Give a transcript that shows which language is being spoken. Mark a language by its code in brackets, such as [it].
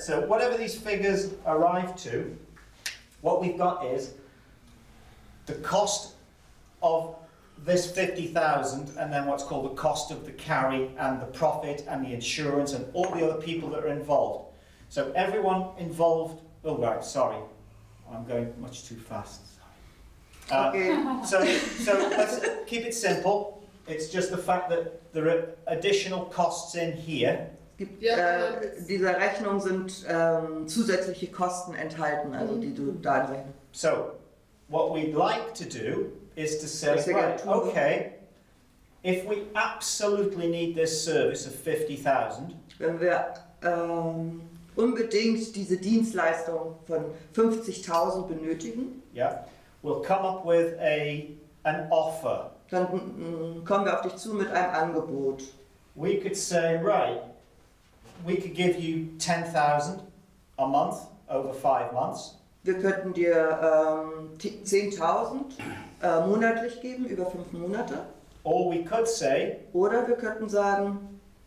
[en] So whatever these figures arrive to, what we've got is the cost of this 50,000, and then what's called the cost of the carry and the profit and the insurance and all the other people that are involved. So everyone involved, oh right, sorry, I'm going much too fast, sorry. Okay. So let's keep it simple. It's just the fact that there are additional costs in here. [de] Dieser Rechnung sind zusätzliche Kosten enthalten, also die du da drin. [en] So what we'd like to do is to say, right, okay, if we absolutely need this service of 50,000, [de] wenn wir unbedingt diese Dienstleistung von 50,000 benötigen, [en] yeah, we'll come up with an offer. [de] Dann kommen wir auf dich zu mit einem Angebot. [en] We could say, right, we could give you 10,000 a month over 5 months. [de] Wir könnten dir 10,000 monatlich geben über 5 Monate. [en] Or we could say, [de] oder wir könnten sagen,